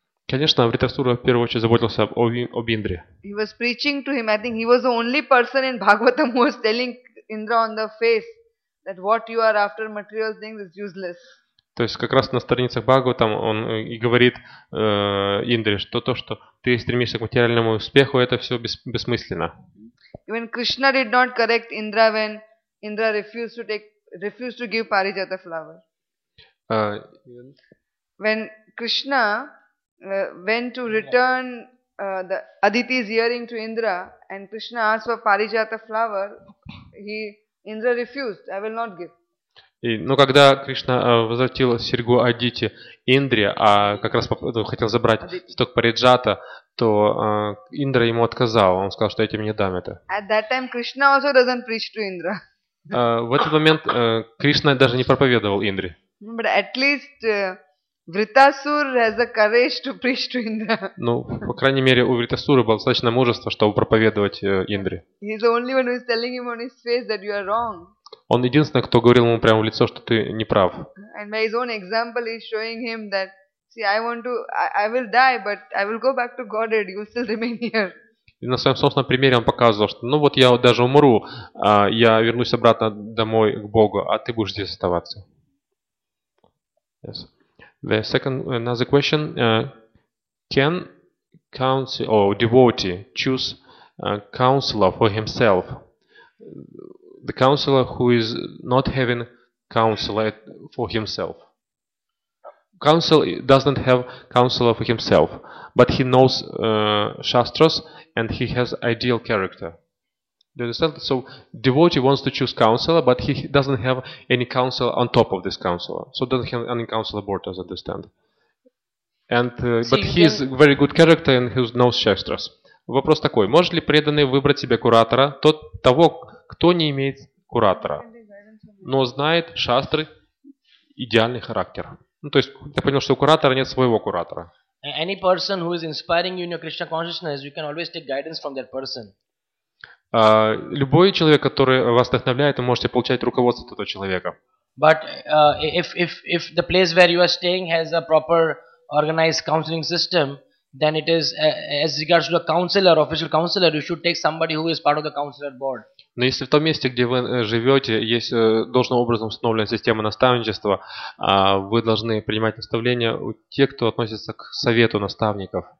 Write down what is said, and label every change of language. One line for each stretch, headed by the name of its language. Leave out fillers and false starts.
Russian: Конечно, Ритрасура в первую очередь заботился об Индре.
English: He was preaching to him. I think he was the only person in Bhagavatam who was telling Indra on the face that what you are after material things is useless.
Russian: То есть как раз на страницах Бхагаватам он и говорит Индре, что то, что ты стремишься к материальному успеху, это все бессмысленно.
English: Even Krishna did not correct Indra when Indra refused to give Parijata flower. When Krishna went to return the Aditi's earring to Indra and Krishna asked for Parijata flower, Indra refused. I will not give.
Russian: Но когда Кришна возвратил серьгу Адити Индре, а как раз хотел забрать цветок Париджата, то Индра ему отказал. Он сказал, что я тебе не дам это.
English: At that time, Krishna also doesn't preach to Indra.
Russian: В этот момент Кришна даже не проповедовал Индре.
English: But at least Vritasur has the courage to preach to Indra.
Russian: Ну, по крайней мере, у Вритасуры было достаточно мужества, чтобы проповедовать Индре.
English: He's the only one who is telling him on his face that you are wrong.
Russian: Он единственный, кто говорил ему прямо в лицо, что ты не прав.
English: And my own example is showing him that, see, I will die, but I will go back to Godhead. You will still remain here.
Russian: И на своем собственном примере он показывал, что, ну вот я даже умру, я вернусь обратно домой к Богу, а ты будешь здесь оставаться.
English: Yes. The second another question: can counsel or devotee choose a counselor for himself? The counselor who is not having counselor for himself. Counsel doesn't have counselor for himself, but he knows Shastras and he has ideal character. Do you understand? So devotee wants to choose counselor, but he doesn't have any counselor on top of this counselor. So doesn't have any counselor board, as I understand. But he is very good character and he knows Shastras.
Russian: Вопрос такой: может ли преданный выбрать себе куратора, того, кто не имеет куратора, но знает шастры, идеальный характер? Ну, то есть я понял, что у куратора нет своего куратора.
English: Any person who is inspiring you in your Krishna consciousness, you can always take guidance from that person.
Russian: Любой человек, который вас вдохновляет, вы можете получать руководство от этого человека.
English: But if the place where you are staying has a proper organized counseling system, then it is as regards to a counselor, official counselor, you should take somebody who is part of the counselor board.
Russian: Но если в том месте, где вы живете, есть должным образом установлена система наставничества, вы должны принимать наставления у тех, кто относится к совету наставников.